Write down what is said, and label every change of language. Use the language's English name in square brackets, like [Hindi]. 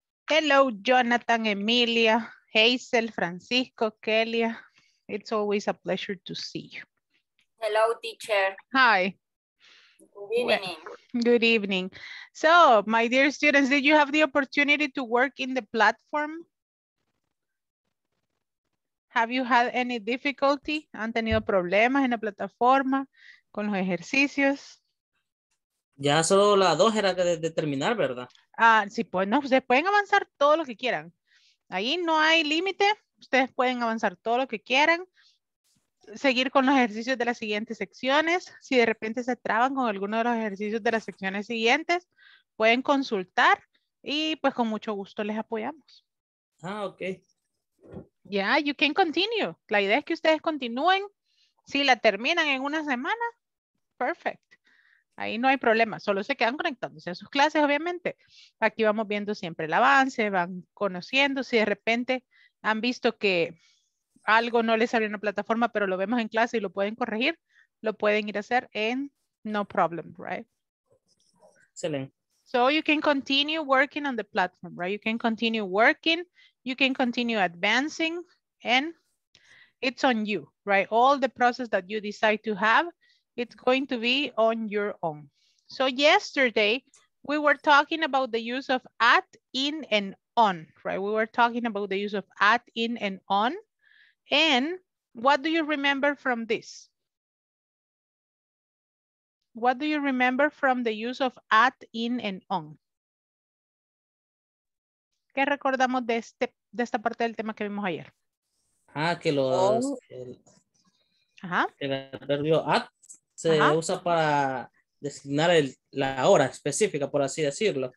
[English] Hello, Jonathan, Emilia, Hazel, Francisco, Kelia. It's always a pleasure to see you. Hello, teacher. Hi. Good evening. Well, good evening. So, my dear students, did you have the opportunity to work in the platform? Have you had any difficulty? [Spanish] ¿Han tenido problemas en la plataforma con los ejercicios? Ya solo las dos era de terminar, ¿verdad? Ah, sí, pues no, ustedes pueden avanzar todo lo que quieran. Ahí no hay límite, ustedes pueden avanzar todo lo que quieran. Seguir con los ejercicios de las siguientes secciones. Si de repente se traban con alguno de los ejercicios de las secciones siguientes, pueden consultar y pues con mucho gusto les apoyamos. Ah, ok. [English] Yeah, you can continue. [Spanish] La idea es que ustedes continúen. Si la terminan en una semana, perfect. Ahí no hay problema. Solo se quedan conectándose a sus clases, obviamente. Aquí vamos viendo siempre el avance, van conociendo. Si de repente han visto que algo no les sale en la plataforma, pero lo vemos en clase y lo pueden corregir, lo pueden ir a hacer en [English] no problem, right? [Spanish] Excelente. [English] So you can continue working on the platform, right? You can continue working, you can continue advancing, and it's on you, right? All the process that you decide to have, it's going to be on your own. So yesterday, we were talking about the use of at, in, and on, right? We were talking about the use of at, in, and on. And what do you remember from this? What do you remember from the use of at, in, and on? [Spanish] ¿Qué recordamos de este, de esta parte del tema que vimos ayer? Ah, que los... Oh. El adverbio at se usa para designar el, la hora específica, por así decirlo.